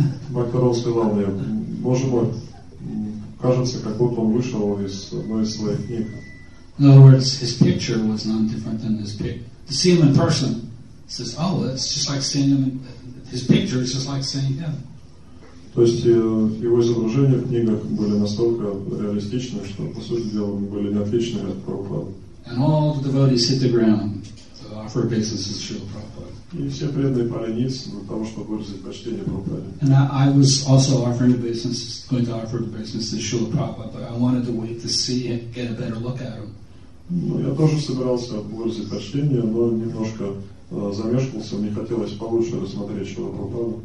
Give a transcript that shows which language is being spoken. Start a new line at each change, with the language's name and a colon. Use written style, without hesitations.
Russian: Bhakta Ron сказал мне, "Боже мой, кажется, как будто он вышел из одной из своих книг."
English: In other words, his picture was none different than his picture. To see him in person. Says, oh, it's just like seeing him. His picture is just like seeing him.
Russian: То есть его изображения в книгах были настолько реалистичны, что по сути дела были неотличны от Прабхупады.
English: And all the devotees hit the ground to offer obeisances to Srila Prabhupada.
Russian: И все преданные пали ниц для того, чтобы выразить почтение Прабхупаде.
English: And I was also offering obeisances, going to offer obeisances to Srila Prabhupada, but I wanted to wait to see and get a better look at him.
Russian: Ну, я тоже собирался выразить почтение, но немножко замешкался, мне хотелось получше рассмотреть Шрилу Прабхупаду.